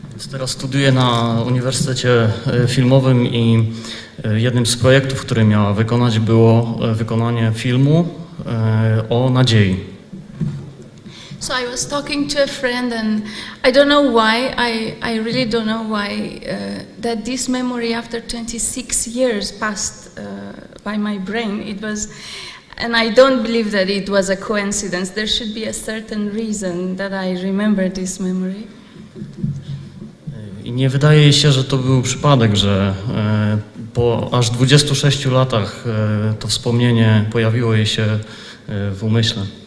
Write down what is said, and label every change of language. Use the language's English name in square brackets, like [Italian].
[Polish] Teraz studiuję na Uniwersytecie Filmowym i jednym z projektów, który miała wykonać, było wykonanie filmu o nadziei. [English] So I was talking to a friend and I don't know why, I really don't know why that this memory after 26 years passed by my brain. It was, and I don't believe that it was a coincidence. There should be a certain reason that I remember this memory. [Polish] I nie wydaje się, że to był przypadek, że po aż 26 latach to wspomnienie pojawiło jej się w umyśle.